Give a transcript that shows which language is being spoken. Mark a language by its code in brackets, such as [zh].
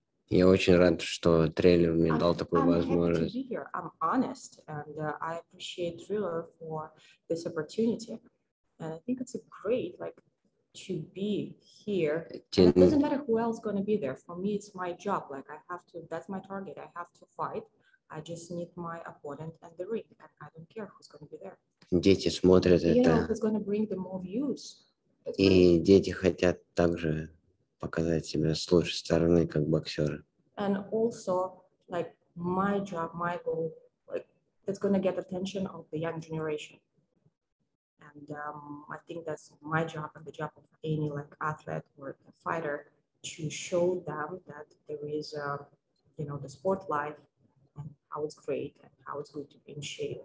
[ru] я очень рад, что трейлер мне дал такую возможность. [en] I'm honest, and I appreciate Thriller for this opportunity. And I think it's a great, like, to be here. It doesn't matter who else is going to be there. For me, it's my job. Like, I have to, that's my target. I have to fight. I just need my opponent and the ring. And I don't care who's going to be there. [ru] Дети смотрят you это. [en] You know, it's going to bring them more views. [ru] И дети хотят также показать себя с лучшей стороны как боксера. [en] And also, like, my job, my goal, like, that's going to get attention of the young generation. And I think that's my job and the job of any like athlete or a fighter to show them that there is, you know, the sport life and how it's great and how it's going to be in shape.